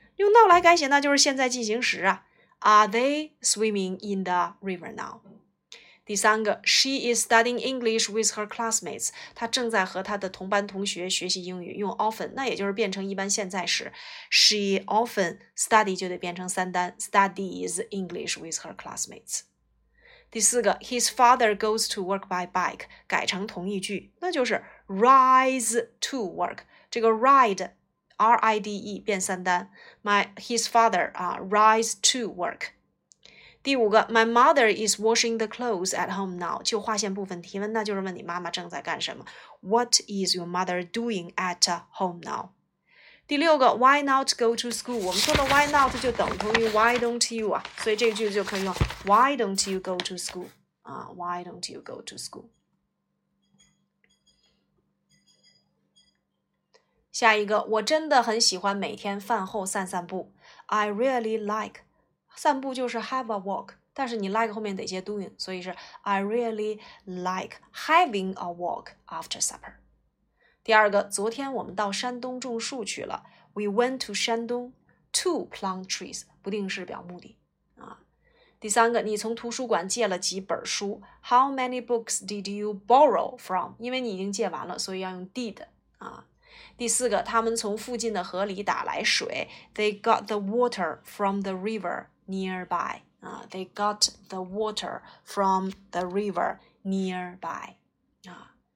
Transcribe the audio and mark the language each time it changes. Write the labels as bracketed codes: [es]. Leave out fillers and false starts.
[zh] 用 now 来改写那就是现在进行时啊。 [en] Are they swimming in the river now? [zh] 第三个 [en] she is studying English with her classmates. [zh] 她正在和她的同班同学学习英语用 often, 那也就是变成一般现在时。 [en] She often study [zh] 就得变成三单 [en] studies English with her classmates。 [zh] 第四个 [en] his father goes to work by bike, [zh] 改成同义句那就是 [en] Rise to work， [zh] 这个 [en] ride RIDE [zh] 变三单 [en] ，my his father 啊 rise to work。 [zh] 第五个 [en] ，my mother is washing the clothes at home now。 [zh] 就划线部分提问，那就是问你妈妈正在干什么 ？ [en] What is your mother doing at home now？ [zh] 第六个 [en] ，Why not go to school？ [zh] 我们说的 [en] Why not [zh] 就等同于 [en] Why don't you 啊， [zh] 所以这个句子就可以用 [en] Why don't you go to school？啊 ，Why don't you go to school？ [zh] 下一个，我真的很喜欢每天饭后散散步。 [en] I really like [zh] 散步就是 [en] have a walk， [zh] 但是你 [en] like [zh] 后面得接 [en] doing， [zh] 所以是 [en] I really like having a walk after supper。 [zh] 第二个，昨天我们到山东种树去了。 [en] We went to Shandong to plant trees， [zh] 不定式表目的啊。第三个，你从图书馆借了几本书 ？ [en] How many books did you borrow from？ [zh] 因为你已经借完了，所以要用 did 啊。第四个，他们从附近的河里打来水。 [en] They got the water from the river nearby 啊。 They got the water from the river nearby 啊。